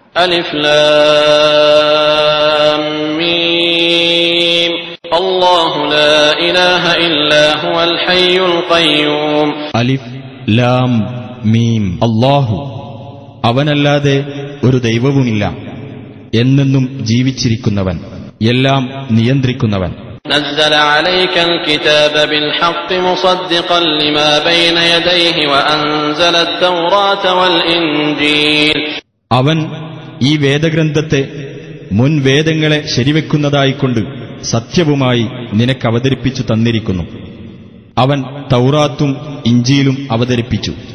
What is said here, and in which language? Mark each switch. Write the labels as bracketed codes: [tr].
[ar] ألف لام ميم الله لا إله إلا هو الحي القيوم ألف لام ميم الله [ml] അവനല്ലാതെ ഒരു ദൈവവുമില്ല. എന്നെന്നും ജീവിച്ചിരിക്കുന്നവൻ, എല്ലാം നിയന്ത്രിക്കുന്നവൻ. [ar] نزل عليك الكتاب بالحق مصدقا لما بين يديه وأنزل التوراة والإنجيل [ml] അവൻ ഈ വേദഗ്രന്ഥത്തെ മുൻവേദങ്ങളെ ശരിവെക്കുന്നതായിക്കൊണ്ട് സത്യവുമായി നിനക്ക് അവതരിപ്പിച്ചു തന്നിരിക്കുന്നു. അവൻ തൗറാത്തും ഇഞ്ചിയിലും അവതരിപ്പിച്ചു.